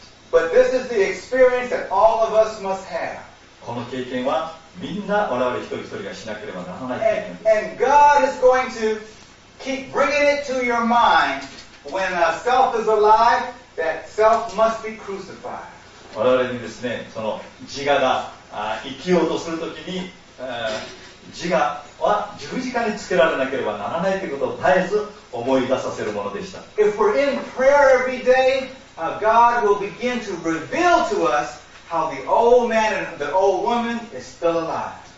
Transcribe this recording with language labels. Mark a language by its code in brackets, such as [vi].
[en] But this is the experience that all of us must have. [ja] この経験はみんな我々一人一人がしなければならないと。 [en] And God is going to keep bringing it to your mind when a self is alive, that self must be crucified. [ja] 我々にですね、その自我が生きようとするときに、自我は十字架につけられなければならないということを絶えず思い出させるものでした。 [en] If we're in prayer every day, God will begin to reveal to us how the old man and the old woman is still alive.